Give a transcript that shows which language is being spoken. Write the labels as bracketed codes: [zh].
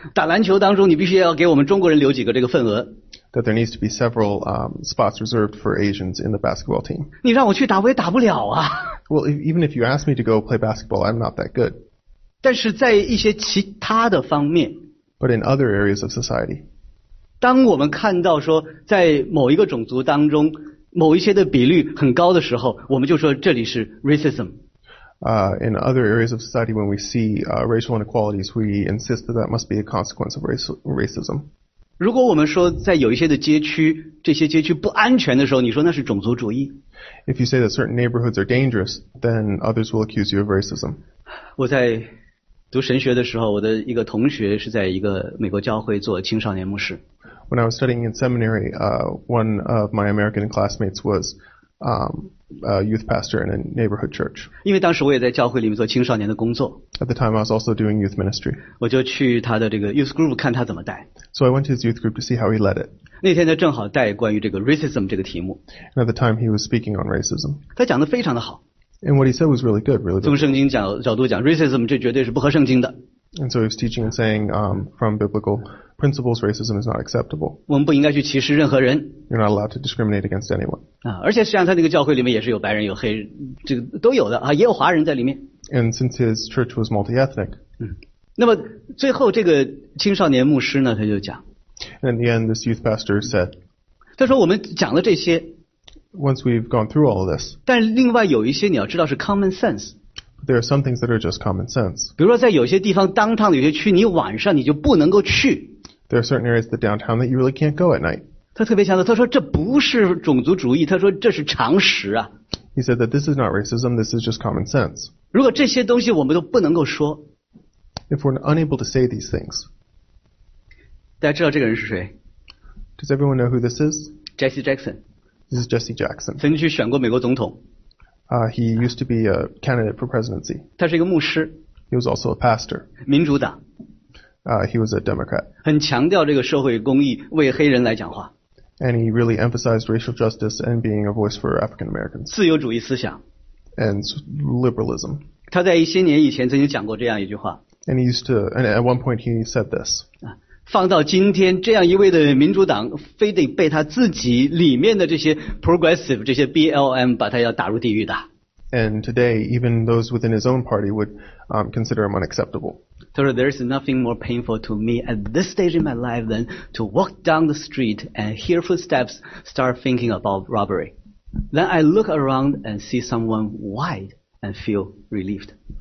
[zh] 打篮球当中，你必须要给我们中国人留几个这个份额。 [en] That there needs to be several spots reserved for Asians in the basketball team. [zh] 你让我去打，我也打不了啊。 [en] Well, even if you ask me to go play basketball, I'm not that good. [zh] 但是在一些其他的方面 [en] But in other areas of society, [zh] 当我们看到说在某一个种族当中某一些的比率很高的时候我们就说这里是 racism [en] In other areas of society when we see racial inequalities we insist that that must be a consequence of racism [zh] 如果我们说在有一些的街区这些街区不安全的时候你说那是种族主义 [en] If you say that certain neighborhoods are dangerous then others will accuse you of racism [zh] 我在读神学的时候，我的一个同学是在一个美国教会做青少年牧师。 [en] When I was studying in seminary, one of my American classmates was a youth pastor in a neighborhood church. [zh] 因为当时我也在教会里面做青少年的工作。 [en] At the time, I was also doing youth ministry. [zh] 我就去他的这个 youth group 看他怎么带。 [en] So I went to his youth group to see how he led it. [zh] 那天他正好带关于这个 racism 这个题目。 [en] And at the time, he was speaking on racism. [zh] 他讲得非常的好。 [en] And what he said was really good, really good. [zh] 从圣经角度讲 ，racism 这绝对是不合圣经的。 [en] And so he was teaching and saying, from biblical principles, racism is not acceptable. [zh] 我们不应该去歧视任何人。 [en] You're not allowed to discriminate against anyone. [zh] 啊，而且实际上他那个教会里面也是有白人、有黑人，这个都有的啊，也有华人在里面。 [en] And since his church was multi-ethnic. [zh] 那么最后这个青少年牧师呢，他就讲。 [en] And in the end, this youth pastor said. [zh] 他说我们讲了这些。 [en] Once we've gone through all of this, [zh] 但另外有一些你要知道是 [en] common sense. There are some things that are just common sense. [zh] 比如说在有些地方 downtown 的有些区，你晚上你就不能够去。 [en] There are certain areas of the downtown that you really can't go at night. [zh] 他特别强调，他说这不是种族主义，他说这是常识啊。 [en] He said that this is not racism. This is just common sense. [zh] 如果这些东西我们都不能够说 [en] ，If we're unable to say these things, [zh] 大家知道这个人是谁 [en] ？Does everyone know who this is? Jesse Jackson. This is Jesse Jackson. [zh] 曾经去选过美国总统。 [en] He used to be a candidate for presidency. [zh] 他是一个牧师。 [en] He was also a pastor. [zh] 民主党。 [en] He was a Democrat. [zh] 很强调这个社会公益，为黑人来讲话。 [en] And he really emphasized racial justice and being a voice for African Americans. [zh] 自由主义思想。 [en] And liberalism. [zh] 他在一些年以前曾经讲过这样一句话。 [en] And he used to, and at one point he said this. [zh] 放到今天这样一位的民主党非得被他自己里面的这些 progressive 这些 BLM 把他要打入地狱的 [en] and today even those within his own party would consider him unacceptable 他说 there is nothing more painful to me at this stage in my life than to walk down the street and hear footsteps start thinking about robbery then I look around and see someone wide and feel relieved